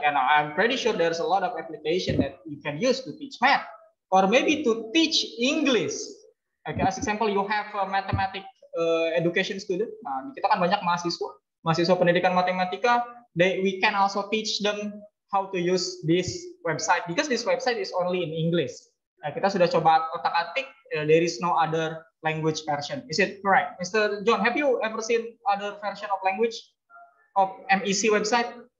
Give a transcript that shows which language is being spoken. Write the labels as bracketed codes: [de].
[en] And I'm pretty sure there's a lot of application that you can use to teach math. Or maybe to teach English. Okay. As example, you have a mathematics education student. [id] Nah, kita kan banyak mahasiswa. Mahasiswa pendidikan matematika. [en] We can also teach them how to use this website because this website is only in English. [id] Kita sudah coba otak-atik, [en] there is no other language version. Is it correct? Mr. John, have you ever seen other version of language of MEC website?